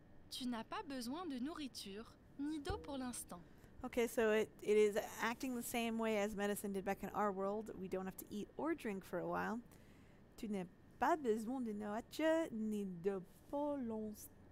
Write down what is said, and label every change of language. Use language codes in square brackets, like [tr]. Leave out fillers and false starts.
[fr] Tu n'as pas besoin de nourriture, ni d'eau pour l'instant. [en] Okay, so it is acting the same way as medicine did back in our world. We don't have to eat or drink for a while. [fr] Tu n'as pas besoin de nourriture, ni d'eau pour l'instant.